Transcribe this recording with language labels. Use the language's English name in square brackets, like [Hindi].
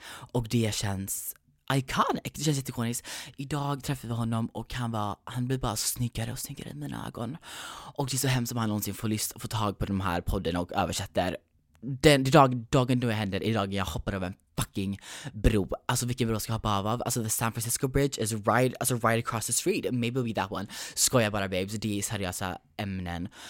[Swedish] Och det känns iconic, det känns jätteikoniskt. Idag träffade vi honom och han blir bara snyggare och snyggare i mina ögon. Och det är så hemskt om han någonsin får tag på de här podden och översätter. Dagen då det händer, idag jag hoppar av en fucking bro. Alltså vilken bro ska jag hoppa av? [English] Alltså the San Francisco Bridge is right across the street. Maybe it'll be that one. [Swedish] Skoja bara babes, det är seriösa ämnen.